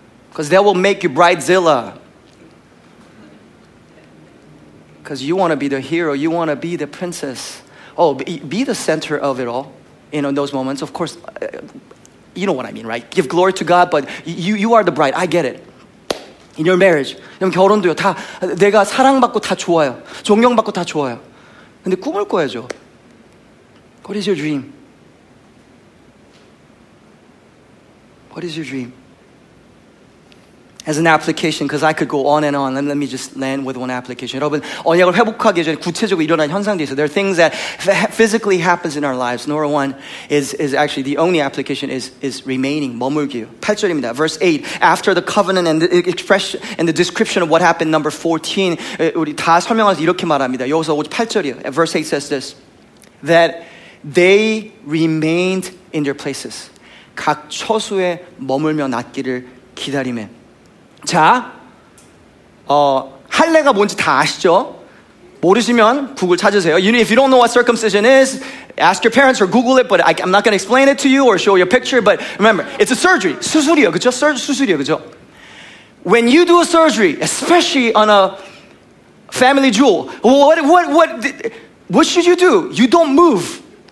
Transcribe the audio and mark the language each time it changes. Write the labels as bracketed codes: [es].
[en] Because that will make you bridezilla. Because you want to be the hero. You want to be the princess. Oh, be the center of it all. You know, in those moments. Of course, you know what I mean, right? Give glory to God, but you are the bride. I get it. In your marriage. [ko] 그럼 결혼도요. 다 내가 사랑받고 다 좋아요. 존경받고 다 좋아요. 근데 꿈을 꿔야죠. [en] What is your dream? What is your dream? As an application, because I could go on and on. Let me just land with one application. [ko] 여러분, 언약을 회복하기 전에 구체적으로 일어난 현상도 있어요. [en] There are things that physically happens in our lives. Number one is actually the only application is remaining, 머물기. [ko] 8절입니다. [en] Verse 8, after the covenant and the expression and the description of what happened, number 14, [ko] 우리 다 설명해서 이렇게 말합니다. 여기서 8절이에요. [en] Verse 8 says this, that they remained in their places. [ko] 각 처소에 머물며 낫기를 기다리매. 자, 할례가 뭔지 다 아시죠? 모르시면 구글 찾으세요. [en] You know, if you don't know what circumcision is, ask your parents or Google it, but I'm not going to explain it to you or show you a picture, but remember, it's a surgery. [ko] 수술이요, 그죠? 수술이요, 그죠? [en] When you do a surgery, especially on a family jewel, what should you do? You don't move.